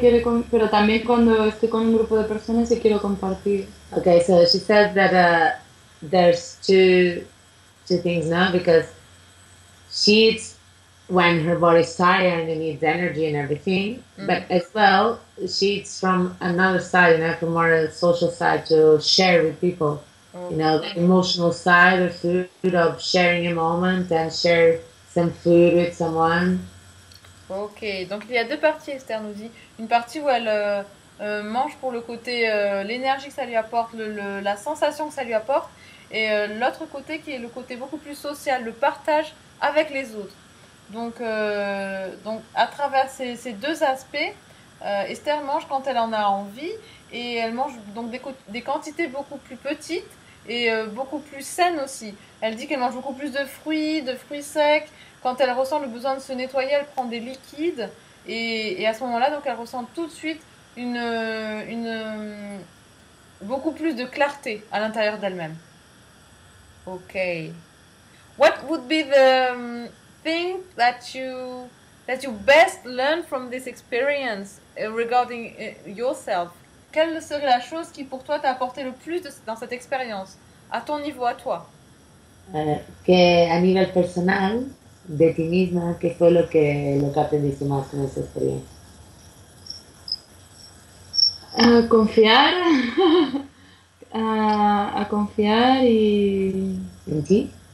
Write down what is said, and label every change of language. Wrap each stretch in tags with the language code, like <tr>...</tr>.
<es>quiere comer, pero también cuando estoy con un grupo de personas y quiero compartir.</es> <en>Okay, so she says that there's two things now because she eats when her body's tired and needs energy and everything, but as well, she eats from another side, you know, from more a social side to share with people, you know, the emotional side of food, of sharing a moment and share some food with someone.</en> <fr>Ok, donc il y a deux parties, Esther nous dit. Une partie où elle mange pour le côté l'énergie que ça lui apporte, la sensation que ça lui apporte, et l'autre côté qui est le côté beaucoup plus social, le partage avec les autres. Donc à travers ces deux aspects, Esther mange quand elle en a envie, et elle mange donc des quantités beaucoup plus petites et beaucoup plus saines aussi. Elle dit qu'elle mange beaucoup plus de fruits secs. Quand elle ressent le besoin de se nettoyer, elle prend des liquides et à ce moment-là, donc elle ressent tout de suite une beaucoup plus de clarté à l'intérieur d'elle-même.</fr> <en>Ok. What would be the thing that you that you best learned from this experience regarding yourself?</en> <fr>Quelle serait la chose qui pour toi t'a apporté le plus dans cette expérience, à ton niveau, à toi?</fr> <es>Que a nivel personal de ti misma, que fue lo que aprendiste más con esa experiencia? Confiar. A confiar y... ¿En ti?</es>